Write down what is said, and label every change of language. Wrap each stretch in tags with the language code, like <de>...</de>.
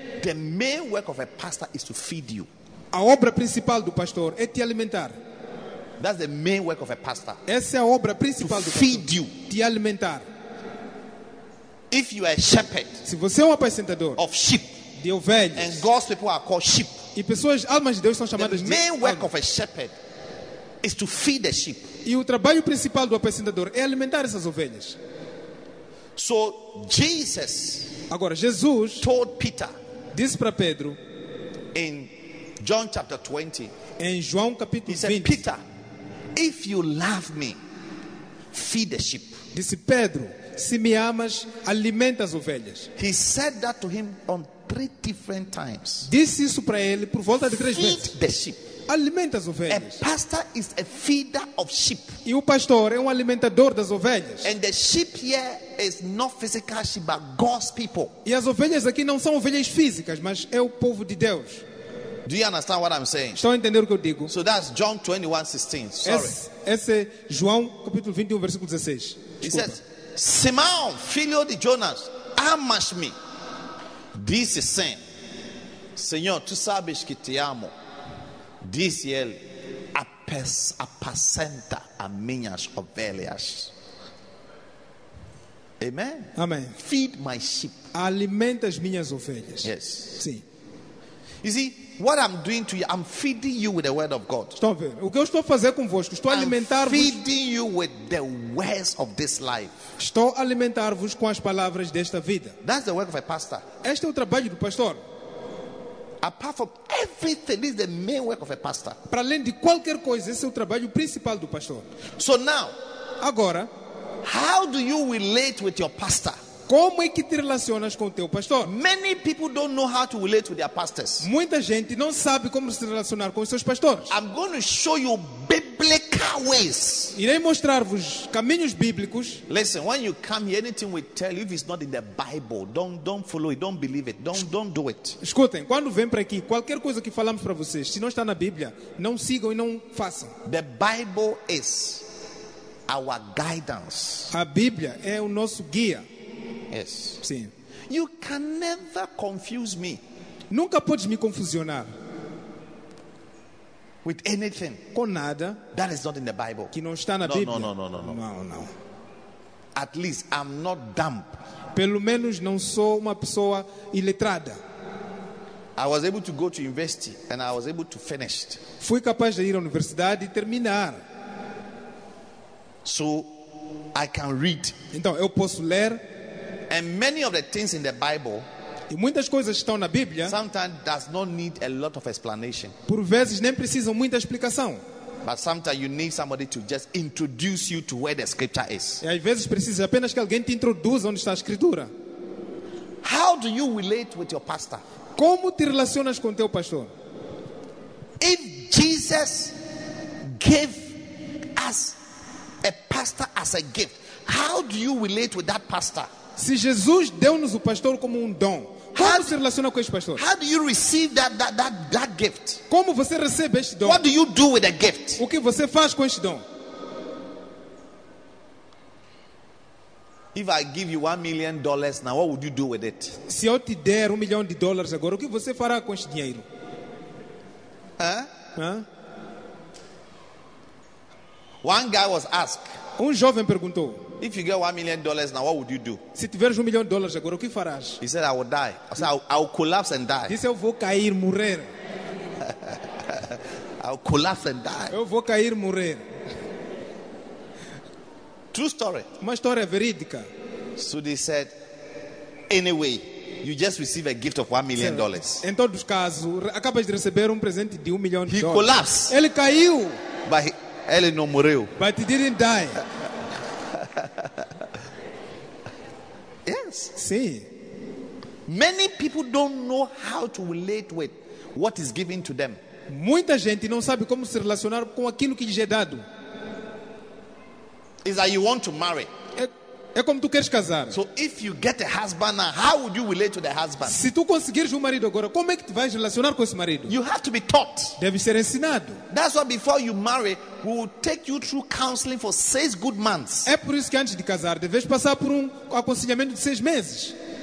<en>The main work of a pastor is to feed you.</en> <pt>A obra principal do pastor é te alimentar.</pt> <en>That's the main work of a pastor.</en> <pt>Essa é a obra principal do pastor.</pt> <en>Feed you.</en> <pt>Te alimentar.</pt> <en>If you are a shepherd,</en> <pt>se você é um apacentador</pt> <en>of sheep,</en> <pt>de ovelhas,</pt> <en>and God's people are called sheep.</en> <pt>E pessoas, almas de Deus são chamadas de ovelhas.</pt> <en>The main work of a shepherd is to feed the sheep.</en> <pt>E o trabalho principal do apacentador é alimentar essas ovelhas.</pt> <en>So Jesus,</en> <pt>agora Jesus,</pt> <en>told Peter,</en> <pt>disse para Pedro,</pt> <en>in John chapter 20,</en> <pt>em João capítulo 20,</pt> <en>he said, Peter, if you love me, feed the sheep.</en> <pt>Disse Pedro, se me amas, alimenta as ovelhas.</pt> <en>He said that to him on 3 different times.</en> <pt>Disse isso para ele por volta de 3 vezes.</pt> <en>Feed the sheep.</en> <pt>Alimenta as ovelhas.</pt> <en>A pastor is a feeder of sheep.</en> <pt>E o pastor é um alimentador das ovelhas.</pt> <en>And the sheep here is not physical sheep, but God's people.</en> <pt>E as ovelhas aqui não são ovelhas físicas, mas é o povo de Deus.</pt> <en>Do you understand what I'm saying?</en> <pt>Estão a entender o que eu digo?</pt> <en>So that's John 21:16. Sorry.</en> <pt>Esse é João capítulo 21 versículo 16. Desculpa.</pt> <en>He says,</en> <pt>Simão, filho de Jonas, amas-me? Disse sim. Senhor, tu sabes que te amo. Disse ele, apacenta as minhas ovelhas. Amen. Amen.</pt> <en>Feed my sheep.</en> <pt>Alimenta as minhas ovelhas.</pt> <en>Yes.</en> <pt>Sim.</pt> <en>You see, what I'm doing to you, I'm feeding you with the word of God.</en> <pt>Estão a ver? O que eu estou a fazer convosco? Estou a alimentar-vos.</pt> <en>I'm feeding you with the words of this life.</en> <pt>Estou a alimentar-vos com as palavras desta vida.</pt> <en>That's the work of a pastor.</en> <pt>Este é o trabalho do pastor.</pt> <en>Apart from everything, this is the main work of a pastor.</en> <pt>Para além de qualquer coisa, esse é o trabalho principal do pastor.</pt> <en>So now,</en> <pt>agora,</pt> <en>how do you relate with your pastor?</en> <pt>Como é que te relacionas com o teu pastor?</pt> <en>Many people don't know how to relate with their pastors.</en> <pt>Muita gente não sabe como se relacionar com os seus pastores.</pt> <en>I'm going to show you biblical ways.</en> <pt>Irei mostrar-vos caminhos bíblicos.</pt> <en>Listen, when you come here, anything we tell you, if it's not in the Bible, don't follow it, don't believe it, don't do it.</en> <pt>Escutem, quando vem para aqui, qualquer coisa que falamos para vocês, se não está na Bíblia, não sigam e não façam.</pt> <en>The Bible is our guidance.</en> <pt>A Bíblia é o nosso guia.</pt> <en>Yes.</en> <pt>Sim.</pt> <en>You can never confuse me.</en> <pt>Nunca podes me confusionar.</pt> <en>With anything.</en> <pt>Com nada.</pt> <en>That is not in the Bible.</en> <pt>Que não está na Bíblia.</pt> <en>No. At least I'm not dumb.</en> <pt>Pelo menos não sou uma pessoa iletrada.</pt> <en>I was able to go to university and I was able to finish.</en> <pt>Fui capaz de ir à universidade e terminar.</pt> <en>So I can read.</en> <pt>Então eu posso ler.</pt> <en>And many of the things in the Bible,</en> <pt>e muitas coisas estão na Bíblia,</pt> <en>sometimes does not need a lot of explanation.</en> <pt>Por vezes nem precisam muita explicação.</pt> <en>But sometimes you need somebody to just introduce you to where the scripture is.</en> <pt>E às vezes precisa apenas que alguém te introduza onde está a escritura.</pt> <en>How do you relate with your pastor?</en> <pt>Como te relacionas com teu pastor?</pt> <en>If Jesus gave us a pastor as a gift, how do you relate with that pastor?</en> <pt>Se Jesus deu-nos o pastor como dom, como se relaciona com esse pastor?</pt> <en>How do you receive that gift?</en> <pt>Como você recebe este dom?</pt> <en>What do you do with the gift?</en> <pt>O que você faz com este dom?</pt> <en>If I give you $1 million now, what would you do with it?</en> <pt>Se eu te der $1 million agora, o que você fará com este dinheiro?</pt> <en>One guy was asked.</en> <pt>Jovem perguntou.</pt> <en>If you get $1 million now, what would you do?</en> <pt>Se tiveres $1 million agora, o que farás?</pt> <en>He said, I will die. I said, I'll collapse and die.</en> <pt>Disse, eu vou cair, morrer.</pt> <en>I'll collapse and die.</en> <pt>Eu vou cair, morrer.</pt> <en>True story.</en> <pt>Uma história verídica.</pt> <en>So they said, anyway, you just receive a gift of $1 million.</en> <pt>Em todos os casos, acabas de receber presente de $1 million.</pt> <en>He collapsed.</en> <pt>Ele caiu.</pt> <en>But</en> <pt>ele não morreu.</pt> <en>But he didn't die. Yes.</en> <pt>Sim.</pt> <en>Many people don't know how to relate with what is given to them.</en> <pt>Muita gente não sabe como se relacionar com aquilo que lhes é dado.</pt> <en>Is that you want to marry?</en> <pt>É como tu queres casar.</pt> <en>So if you get a husband now, how would you relate to the husband?</en> <pt>Se tu conseguires marido agora, como é que tu vais relacionar com esse marido?</pt> <en>You have to be taught.</en> <pt>Deve ser ensinado.</pt> <en>That's why before you marry, we will take you through counseling for 6 good months.</en> <pt>É por isso que antes de casar, deves passar por aconselhamento de 6 meses.</pt>